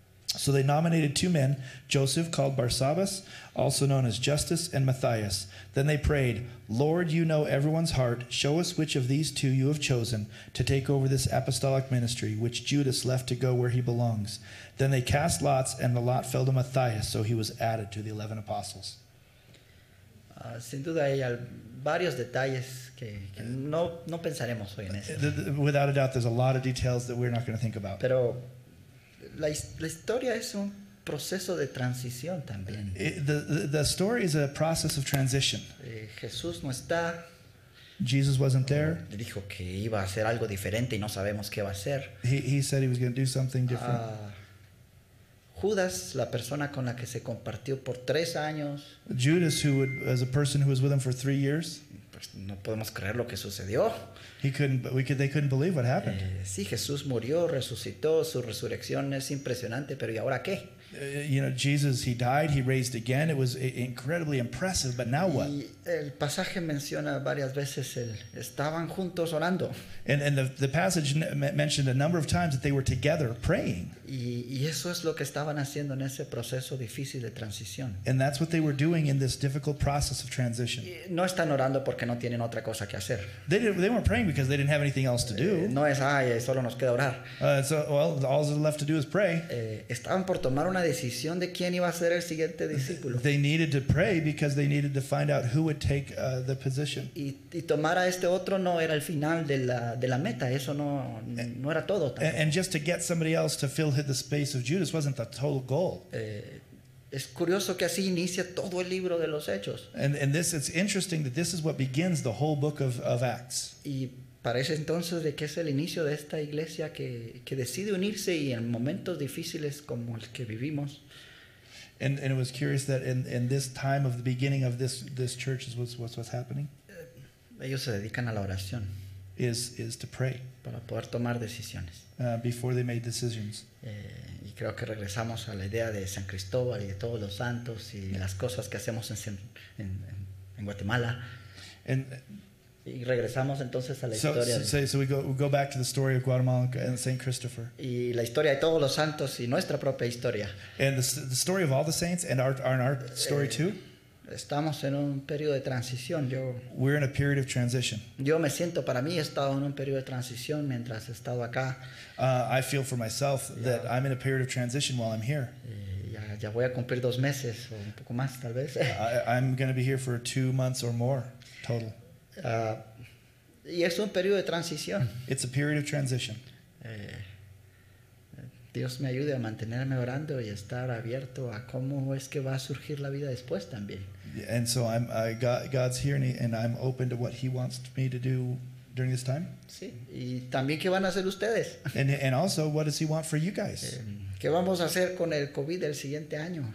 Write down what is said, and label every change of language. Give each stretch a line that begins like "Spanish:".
English: So they nominated two men, Joseph, called Barsabbas, also known as Justus, and Matthias. Then they prayed, "Lord, you know everyone's heart. Show us which of these two you have chosen to take over this apostolic ministry, which Judas left to go where he belongs." Then they cast lots, and the lot fell to Matthias, so he was added to the 11 apostles.
Spanish: Sin duda hay varios detalles que no pensaremos hoy en eso.
English: Without a doubt, there's a lot of details that we're not going to think about.
Spanish: Pero la historia es un proceso de transición también.
English: The story is a process of transition.
Spanish: Jesús no está.
English: Jesus wasn't there.
Spanish: Dijo que iba a hacer algo diferente y no sabemos qué va a hacer.
English: He said he was going to do something different.
Spanish: Judas, la persona con la que se compartió por 3 años.
English: Judas, who would, as a person who was with him for 3 years.
Spanish: Pues no podemos creer lo que sucedió.
English: They couldn't believe what happened.
Spanish: Sí, Jesús murió, resucitó, su resurrección es impresionante, pero ¿y ahora qué?
English: you know, Jesus, he died, he raised again. It was incredibly impressive, but now what?
Spanish: El pasaje menciona varias veces el estaban juntos orando.
English: And the passage mentioned a number of times that they were together praying.
Spanish: Y eso es lo que estaban haciendo en ese proceso difícil de transición.
English: And that's what they were doing in this difficult process of transition.
Spanish: Y no están orando porque no tienen otra cosa que hacer.
English: They weren't praying because they didn't have anything else to do.
Spanish: No es, ay, solo nos queda orar.
English: All that's left to do is pray.
Spanish: Estaban por tomar una decisión de quién iba a ser el siguiente discípulo.
English: They needed to pray because they needed to find out who would take the position.
Spanish: Y tomar a este otro no era el final de la meta, eso no era todo.
English: And just to get somebody else to fill the space of Judas wasn't the total goal.
Spanish: Es curioso que así inicia todo el libro de los Hechos.
English: And this, it's interesting that this is what begins the whole book of Acts.
Spanish: Y parece entonces de que es el inicio de esta iglesia que decide unirse y en momentos difíciles como el que vivimos.
English: And it was curious that in this time of the beginning of this church is what's happening.
Spanish: Ellos se dedican a la oración.
English: Is to pray.
Spanish: Para poder tomar decisiones.
English: Before they made decisions.
Spanish: Y creo que regresamos a la idea de San Cristóbal y de todos los santos y las cosas que hacemos en Guatemala.
English: And,
Spanish: y regresamos entonces a la historia.
English: So we go back to the story of Guatemala and St. Christopher.
Spanish: Y la historia de todos los santos y nuestra propia historia.
English: And the story of all the saints and our story too.
Spanish: Estamos en un periodo de transición.
English: We're in a period of transition.
Spanish: Yo me siento, para mí he estado en un periodo de transición mientras he estado acá.
English: I feel for myself that I'm in a period of transition while I'm here.
Spanish: Ya voy a cumplir 2 meses o un poco más tal vez.
English: I'm going to be here for 2 months or more total.
Spanish: Y es un periodo de transición.
English: It's a period of transition.
Spanish: Dios me ayude a mantenerme orando y estar abierto a cómo es que va a surgir la vida después también.
English: And so God's here and I'm open to what he wants me to do during this time.
Spanish: Sí, y también qué van a hacer ustedes.
English: And also, what does he want for you guys?
Spanish: ¿Qué vamos a hacer con el COVID el siguiente año?